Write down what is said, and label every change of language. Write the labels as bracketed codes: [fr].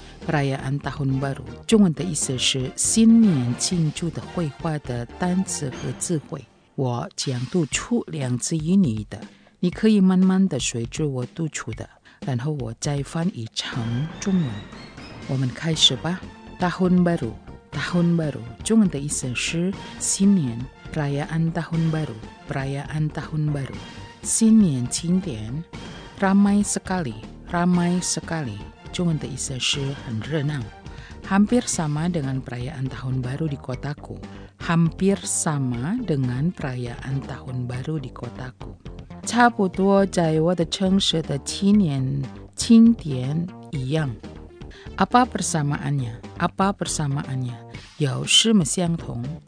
[id] Perayaan Tahun Baru [zh] 中文的意思是新年庆祝的绘画的单词和智慧。我将读出两字英语的，你可以慢慢的随着我读出的，然后我再翻译成中文。我们开始吧。 [id] Tahun Baru， Tahun Baru [zh] 中文的意思是新年。 [id] Perayaan Tahun BaruPerayaan Tahun Baru， [zh] 新年庆典。 [id] Ramai sekali， Ramai sekali [zh] 中文的意思是很热闹。 [id] Hampir sama dengan perayaan Tahun Baru di kotaku， Hampir sama dengan perayaan Tahun Baru di kotaku， [zh] 差不多在我的城市的新年庆典一样。 [id] Apa persamaannya， Apa persamaannya， [zh] 有什么相同。